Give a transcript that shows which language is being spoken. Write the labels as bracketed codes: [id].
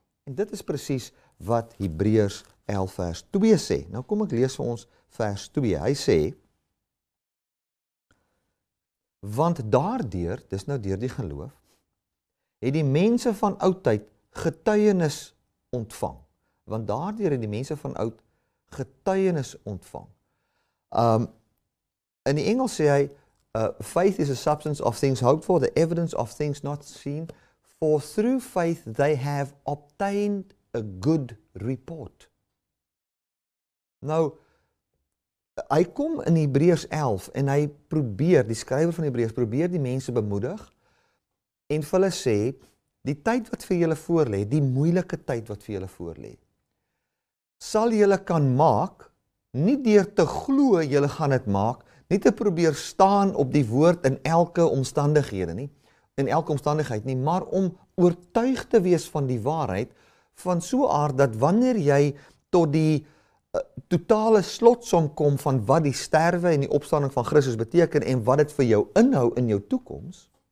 [af] En dit is presies wat Hebreërs 11 vers 2 sê. Nou kom ek lees vir ons vers 2. Hy sê, want daardeur, dis nou deur die geloof, het die mense van oudtyd getuienis ontvang. Want daardeur het die mense van oud getuienis ontvang. In die Engels sê hy, [en] faith is a substance of things hoped for, the evidence of things not seen, for through faith they have obtained a good report. [af] Nou, hy kom in Hebreërs 11 en hy probeer, die skrywer van Hebreërs probeer die mense bemoedig en vir hulle sê, die tyd wat vir julle voorlê, die moeilike tyd wat vir julle voorlê, sal julle kan maak, nie deur te glo julle gaan dit maak, nie te probeer staan op die woord in elke omstandighede nie, in elke omstandigheid nie, maar om oortuig te wees van die waarheid, van so aard dat wanneer jy tot die totale slotsom kom van wat die sterwe en die opstanding van Christus beteken en wat dit vir jou inhou in jou toekoms,